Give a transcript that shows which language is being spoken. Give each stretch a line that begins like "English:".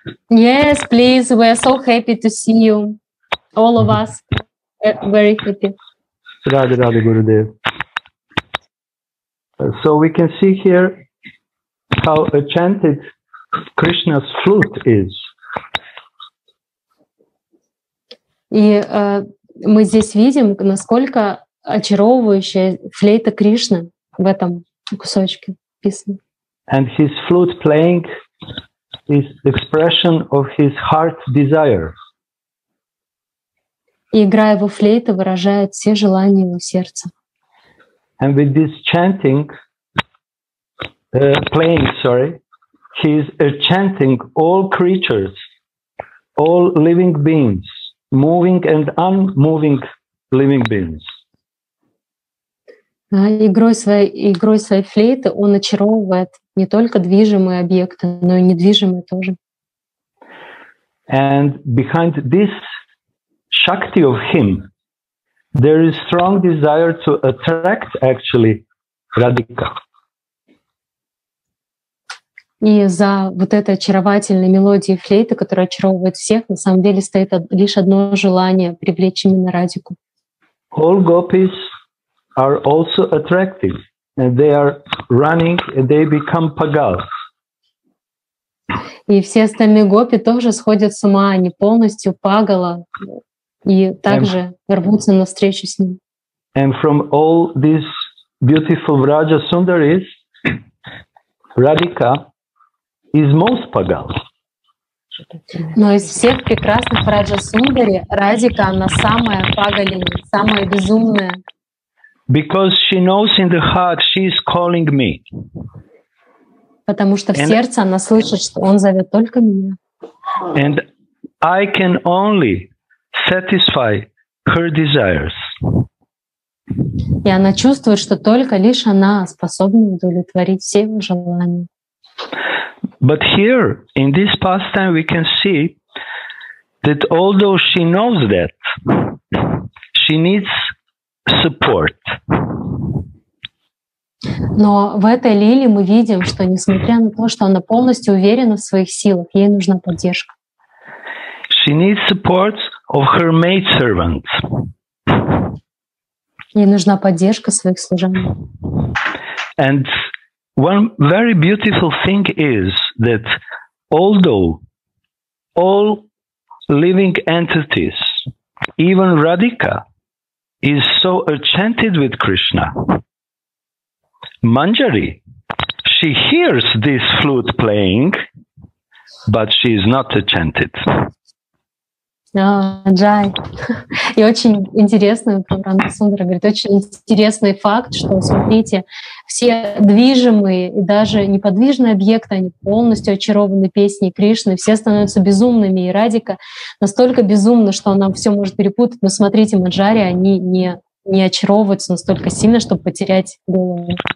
English: Yes, please. We are so happy to see you. All of us. Very happy. Radhe Radhe Gurudev. So we can see here how enchanted Krishna's flute is.
Russian: И мы здесь видим, насколько очаровывающая флейта Кришны в этом кусочке писана.
English: And his flute playing is expression of his heart's desire.
Russian: Игра его флейты выражает все желания его сердца.
English: And with this chanting, he is enchanting all creatures, all living beings, moving and unmoving living beings.
Russian: Игрой своей флейты он очаровывает не только движимые объекты, но и недвижимые тоже.
English: And behind this shakti of him, there is strong desire to attract actually Radhika.
Russian: И за вот этой очаровательной мелодией флейты, которая очаровывает всех, на самом деле стоит лишь одно желание — привлечь именно Радику.
English: All gopis are also attractive. And they are running, and they become pagals.
Russian: И все остальные гопи тоже сходят с ума, они полностью пагала, и также рвутся навстречу с ним.
English: And from all these beautiful Raja Sundaris, Radhika is most pagal.
Russian: Но из всех прекрасных Раджа Сундари, Радика, она самая пагальная, самая безумная.
English: Because she knows in the heart she is calling me.
Russian: Потому что в сердце она слышит, что он зовет только меня.
English: And I can only satisfy her desires.
Russian: И она чувствует, что только лишь она способна удовлетворить все его желания.
English: But here in this pastime we can see that although she knows that she needs support.
Russian: Но в этой лиле мы видим, что несмотря на то, что она полностью уверена в своих силах, ей нужна поддержка.
English: She needs support of her maidservants.
Russian: Ей нужна поддержка своих служанок.
English: And one very beautiful thing is that although all living entities, even Radhika, is so enchanted with Krishna, Manjari, she hears this flute playing, but she is not enchanted. Джай.
Russian: И очень интересный, Рана Сундара говорит, очень интересный факт, что, смотрите, все движимые и даже неподвижные объекты, они полностью очарованы песней Кришны, все становятся безумными, и Радика настолько безумна, что она все может перепутать, но смотрите, Маджари, они не очаровываются настолько сильно, чтобы потерять голову.